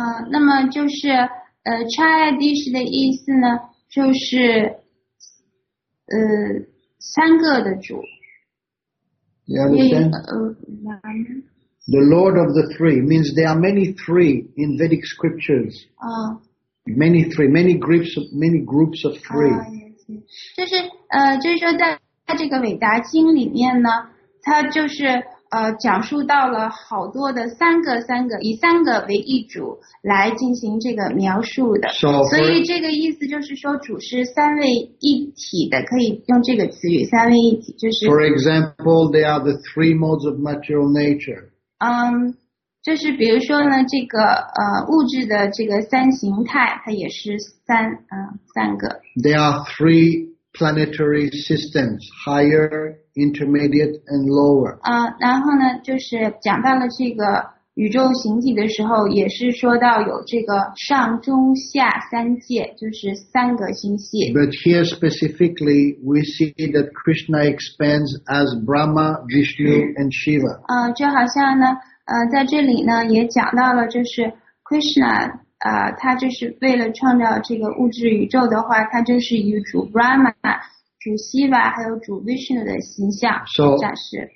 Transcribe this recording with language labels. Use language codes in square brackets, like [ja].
[zh] 那么就是Triadish 的意思呢，就是三个的主。 [en] You understand? The Lord of the Three means there are many three in Vedic scriptures. Many three, many groups of three. [zh] 就是就是说在在这个伟达经里面呢，它就是讲述到了好多的三个以三个为一主来进行这个描述的。 [en] So、 [zh] 所以这个意思就是说主是三位一体的，可以用这个词语三位一体，就是。 [en] For example, there are the three modes of material nature. [zh] 就是比如说呢，这个物质的这个三形态，它也是三个。 [en] There are three. Planetary systems, higher, intermediate, and lower. [zh] 然后呢，就是讲到了这个宇宙形体的时候，也是说到有这个上中下三界，就是三个星系。 [en] But here specifically, we see that Krishna expands as Brahma, Vishnu, and Shiva. [zh] 就好像呢，在这里呢，也讲到了就是 Krishna。他就是为了创造这个物质宇宙的话，他就是以主 Brahma、主 Shiva 还有主 Vishnu 的形象展示。